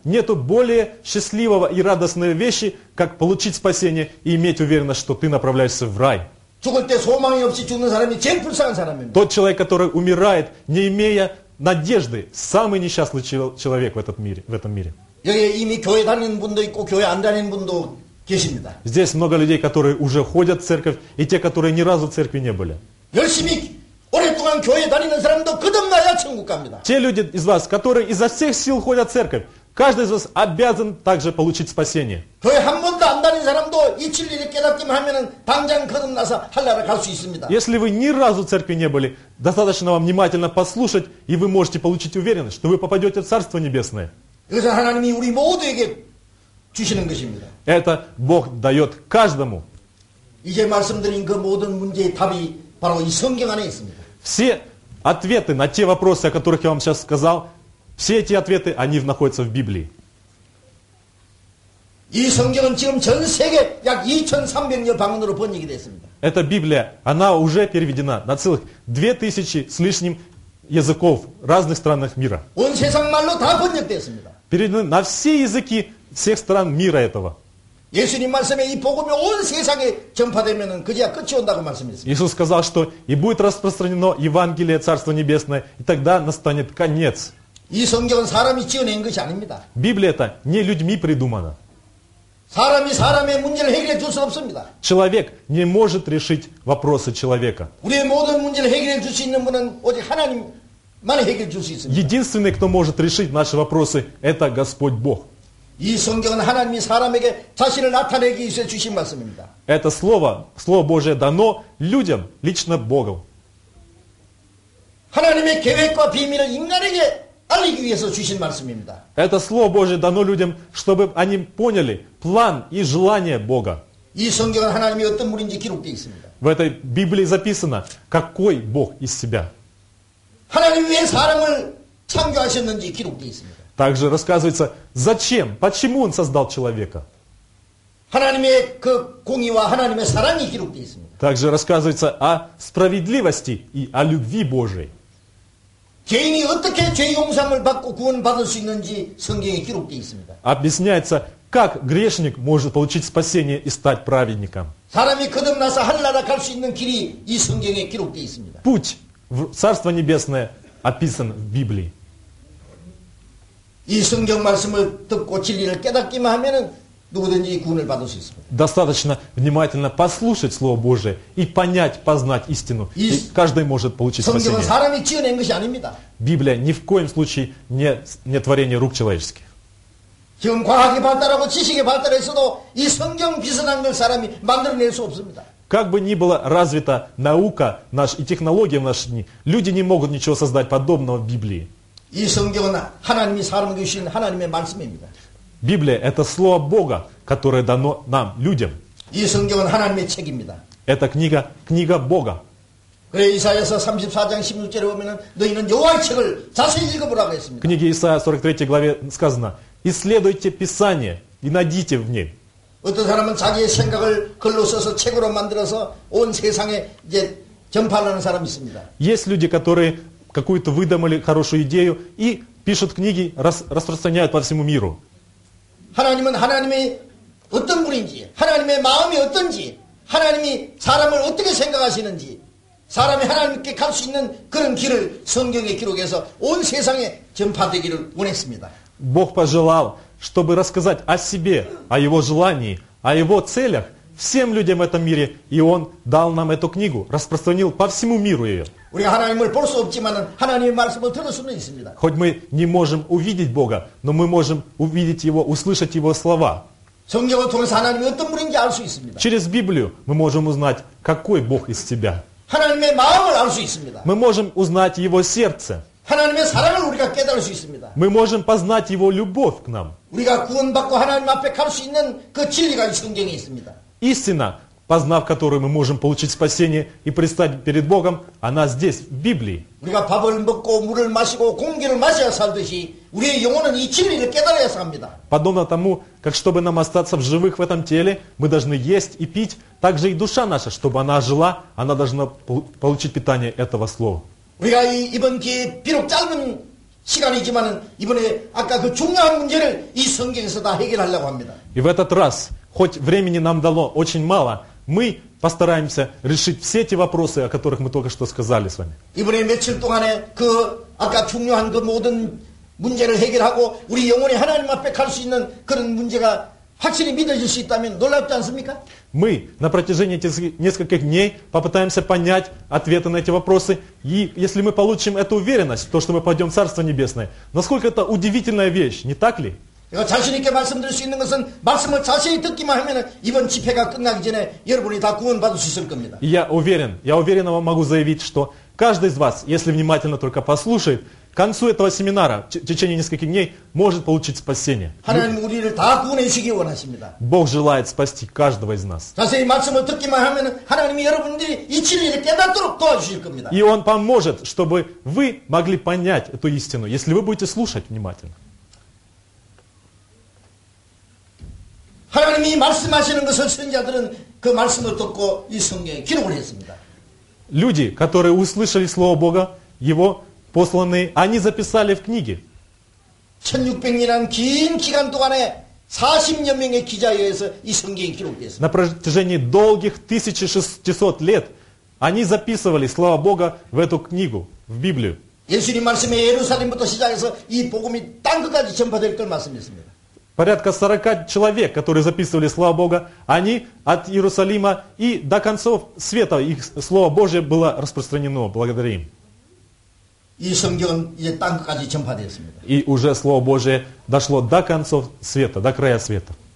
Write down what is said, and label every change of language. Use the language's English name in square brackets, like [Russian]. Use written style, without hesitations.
[Russian] Нету более счастливого и радостной вещи, как получить спасение и иметь уверенность, что ты направляешься в рай. [Korean] 죽을 때 소망이 없이 죽는 사람이 제일 불쌍한 사람입니다. [Russian] Тот человек, который умирает, не имея надежды, самый несчастный человек в этом мире. [Korean] 여기 이미 교회 다니는 분도 있고 교회 안 다니는 분도 계십니다. [Russian] Здесь много людей, которые уже ходят в церковь, и те, которые ни разу в церкви не были. [Korean] 열심히 오랫동안 교회 다니는 사람도 거듭나야 천국 갑니다. [Russian] Те люди из вас, которые изо всех сил ходят в церковь, каждый из вас обязан также получить спасение. [Korean] 교회 한 번도 안 다니는 사람도 이 진리를 깨닫기만 하면은 당장 거듭나서 할례를 갈 수 있습니다. [Russian] Если вы ни разу в церкви не были, достаточно вам внимательно послушать, и вы можете получить уверенность, что вы попадете в Царство Небесное. [Korean] 이것은 하나님이 우리 모두에게 주시는 것입니다. [Russian] Это Бог дает каждому. [Korean] 이제 말씀드린 그 모든 문제의 답이 바로 이 성경 안에 있습니다. [Russian] Все ответы на те вопросы, о которых я вам сейчас сказал, все эти ответы, они находятся в Библии. [Korean] 이 성경은 지금 전 세계 약 2300여 방언으로 번역이 됐습니다. [Russian] Эта Библия, она уже переведена на целых 2000 с лишним языков разных стран мира. [Korean] 온 세상 말로 다 번역됐습니다. [Russian] Переведены на все языки всех стран мира этого. [Korean] 예수님 말씀에 이 복음이 온 세상에 전파되면은 그제야 끝이 온다고 말씀했습니다. [Russian] Иисус сказал, что и будет распространено Евангелие Царства Небесное, и тогда настанет конец. [Korean] 이 성경은 사람이 지어낸 것이 아닙니다. [Russian] Библия это не людьми придумана. [Korean] 사람이 사람의 문제를 해결해 줄 수 없습니다. [Russian] Человек не может решить вопросы человека. [Korean] 우리의 모든 문제를 해결해 줄 수 있는 분은 오직 하나님만이 해결해 줄 수 있습니다. [Russian] Единственный, кто может решить наши вопросы, это Господь Бог. [Korean] 이 성경은 하나님이 사람에게 자신을 나타내기 위해 주신 말씀입니다. [Russian] Это слово, слово Божие дано людям, лично Богу. [Korean] 하나님의 계획과 비밀을 인간에게 알리기 위해서 주신 말씀입니다. [Russian] Это слово Божие дано людям, чтобы они поняли план и желание Бога. [Korean] 이 성경은 하나님이 어떤 분인지 기록되어 있습니다. [Russian] В этой Библии записано, какой Бог из себя. [Korean] 하나님이 왜 사람을 창조하셨는지 기록되어 있습니다. [Russian] Также рассказывается, зачем, почему он создал человека. [Korean] 하나님의 그 공의와 하나님의 사랑이 기록되어 있습니다. [Russian] Также рассказывается о справедливости и о любви Божией. [Korean] 죄인이 어떻게 죄 용서함을 받고 구원 받을 수 있는지 성경에 기록되어 있습니다. [Russian] Объясняется, как грешник может получить спасение и стать праведником. [Korean] 사람이 거듭나서 하늘나라 갈 수 있는 길이 이 성경에 기록되어 있습니다. [Russian] Путь в Царство Небесное описан в Библии. [Korean] 이 성경 말씀을 듣고 진리를 깨닫기만 하면은 누구든지 구원을 받을 수 있습니다. [Russian] Достаточно внимательно послушать Слово Божие и понять, познать истину. И каждый может получить спасение. [Korean] 성경은 사람이 지어낸 것이 아닙니다. [Russian] Библия ни в коем случае не творение рук человеческих. [Korean] 지금 과학이 발달하고 지식이 발달했어도 이 성경 비슷한 걸 사람이 만들어낼 수 없습니다. [Russian] Как бы ни была развита наука наш, и технология в наши дни, люди не могут ничего создать подобного в Библии. [Korean] 이 성경은 하나님이 사람에게 주신 하나님의 말씀입니다. [Russian] Библия – это слово Бога, которое дано нам, людям. [Korean] 이 성경은 하나님의 책입니다. [Russian] Это книга, книга Бога. [Korean] 그래, 이사야서 34장 16절에 보면은 너희는 여호와의 책을 자세히 읽어보라고 했습니다. [Russian] В книге Исаия 43 главе сказано: «Исследуйте Писание и найдите в нем». [Korean] 어떤 사람은 자기의 생각을 글로 써서 책으로 만들어서 온 세상에 이제 전파하는 사람이 있습니다. [Russian] Есть люди, которые какую-то выдумали хорошую идею и пишут книги, распространяют по всему миру. [Korean] 하나님은 하나님의 어떤 분인지, 하나님의 마음이 어떤지, 하나님이 사람을 어떻게 생각하시는지, 사람이 하나님께 갈 수 있는 그런 길을 성경에 기록해서 온 세상에 전파되기를 원했습니다. [Russian] Бог пожелал, чтобы рассказать о себе, о его желании, о его целях всем людям в этом мире, и он дал нам эту книгу, распространил по всему миру ее. [Korean] 우리가 하나님을 볼 수 없지만은 하나님의 말씀을 들을 수는 있습니다. [Russian] Хоть мы не можем увидеть Бога, но мы можем увидеть Его, услышать Его слова. [Korean] 성경을 통해서 하나님이 어떤 분인지 알 수 있습니다. [Russian] Через Библию мы можем узнать, какой Бог из себя. [Korean] 하나님의 마음을 알 수 있습니다. [Russian] Мы можем узнать Его сердце. [Korean] 하나님의 사랑을 우리가 깨달을 수 있습니다. [Russian] Мы можем познать Его любовь к нам. [Korean] 우리가 구원받고 하나님 앞에 갈 수 있는 그 진리가 이 성경에 있습니다. [Russian] Истина, познав которую мы можем получить спасение и предстать перед Богом, она здесь, в Библии. [Korean] 우리가 밥을 먹고 물을 마시고 공기를 마셔야 살듯이 우리의 영혼은 이 진리를 깨달아야 삽니다. [Russian] Подобно тому, как чтобы нам остаться в живых в этом теле, мы должны есть и пить, также и душа наша, чтобы она жила, она должна получить питание этого слова. [Korean] 우리가 이번 기회 비록 짧은 시간이지만은 이번에 아까 그 중요한 문제를 이 성경에서 다 해결하려고 합니다. [Russian] И в этот раз, хоть времени нам дало очень мало, мы постараемся решить все эти вопросы, о которых мы только что сказали с вами. [Korean] 이번에 며칠 동안에 그 아까 중요한 그 모든 문제를 해결하고 우리 영혼이 하나님 앞에 갈 수 있는 그런 문제가 확실히 믿어질 수 있다면 놀랍지 않습니까? [Russian] Мы на протяжении этих нескольких дней попытаемся понять ответы на эти вопросы. И если мы получим эту уверенность, то что мы пойдем в Царство Небесное, насколько это удивительная вещь, не так ли? [Korean] 내가 자신 있게 말씀드릴 수 있는 것은 말씀을 자세히 듣기만 하면 이번 집회가 끝나기 전에 여러분이 다 구원 받을 수 있을 겁니다. [Russian] Я уверенно могу заявить, что каждый из вас, если внимательно только послушает, к концу этого семинара, в течение нескольких дней, может получить спасение. [Korean] 하나님 우리를 다 구원하시기 원하십니다. [Russian] Бог желает спасти каждого из нас. [Korean] 자세히 말씀을 듣기만 하면 하나님이 여러분들이 이 진리를 깨닫도록 도와주실 겁니다. [Russian] И он поможет, чтобы вы могли понять эту истину, если вы будете слушать внимательно. [Korean] 하나님이 말씀하시는 것을 선지자들은 그 말씀을 듣고 이 성경에 기록을 했습니다. [Russian] Люди, которые услышали слово Бога, его посланные, они записали в книге. [Korean] 1600년 긴 기간 동안에 40여 명의 기자에 의해서 이 성경이 기록됐습니다. [Russian] На протяжении долгих 1600 лет они записывали слово Бога в эту книгу, в Библию. [Korean] 예수님 말씀에 예루살렘부터 시작해서 이 복음이 땅 끝까지 전파될 걸 말씀했습니다. [Russian] Порядка 40 человек, которые записывали слово Бога, они от Иерусалима и до концов света их слово Божье было распространено благодаря им. И уже слово Божье дошло до концов света, до края света.